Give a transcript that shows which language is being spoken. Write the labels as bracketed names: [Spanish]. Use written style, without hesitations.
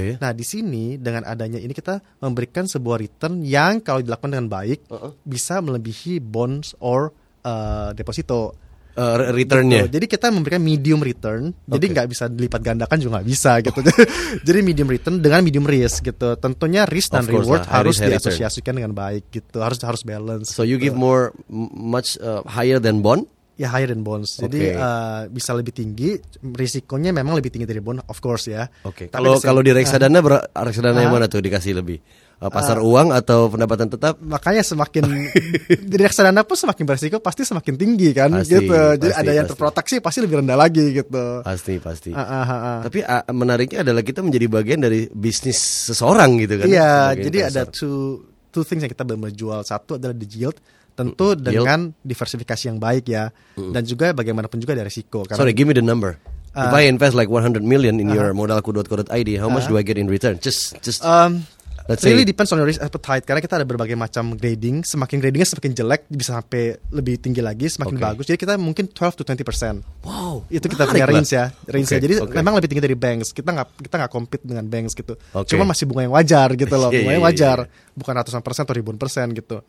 [Indonesian] Nah, di sini dengan adanya ini kita memberikan sebuah return yang kalau dilakukan dengan baik bisa melebihi [English] bonds or [Indonesian] deposito. Return-nya. Jadi kita memberikan medium return. Jadi nggak bisa dilipat gandakan juga nggak bisa gitu. Jadi medium return dengan medium risk gitu. Tentunya risk dan reward harus diasosiasikan dengan baik gitu. Harus balance. [English] So you give more much higher than bond? [Indonesian] Ya [English] higher than bonds. [Indonesian] Jadi bisa lebih tinggi. Risikonya memang lebih tinggi dari bond, [English] of course [Indonesian] ya. Kalau di reksadana, reksadana yang mana tuh dikasih lebih? Pasar uang atau pendapatan tetap? Makanya semakin reksadana pun semakin berisiko pasti semakin tinggi kan. Jadi yang terproteksi pasti lebih rendah lagi gitu. Pasti. Tapi menariknya adalah kita menjadi bagian dari bisnis seseorang gitu kan. Iya, jadi ada [English] two things [Indonesian] yang kita benar-benar jual. Satu adalah [English] the yield, [Indonesian] tentu dengan diversifikasi yang baik ya. Dan juga bagaimanapun juga ada risiko. [English] Sorry, give me the number. If I invest like 100 million in your modalku.co.id, how much do I get in return? Just let's really say. Depends on your risk appetite. [Indonesian] Karena kita ada berbagai macam grading. Semakin gradingnya semakin jelek, bisa sampai lebih tinggi lagi, semakin bagus. Jadi kita mungkin 12-20%. Wow. Itu kita punya range ya, range ya. Jadi memang lebih tinggi dari banks. Kita nggak compete dengan banks gitu. Okay. Cuma masih bunga yang wajar gitu loh. Bunga yang wajar, bukan ratusan persen atau ribuan persen gitu.